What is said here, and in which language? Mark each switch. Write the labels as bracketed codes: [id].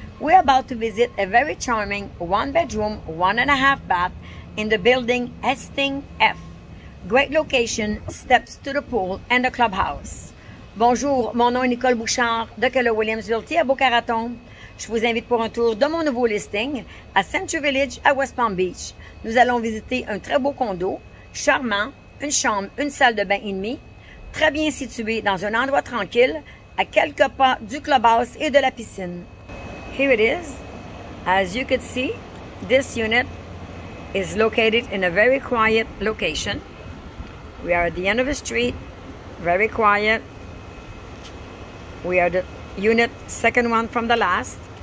[en] We're about to visit a very charming one-bedroom, one-and-a-half-bath in the building Hastings F. Great location, steps to the pool and the clubhouse. [fr] Bonjour, mon nom est Nicole Bouchard de Keller Williams Realty à Boca Raton. Je vous invite pour un tour de mon nouveau listing à Century Village à West Palm Beach. Nous allons visiter un très beau condo, charmant, une chambre, une salle de bain et demi, très bien situé dans un endroit tranquille, à quelques pas du clubhouse et de la piscine. [en] Here it is. As you could see, this unit is located in a very quiet location. We are at the end of the street, very quiet. We are the unit, second one from the last.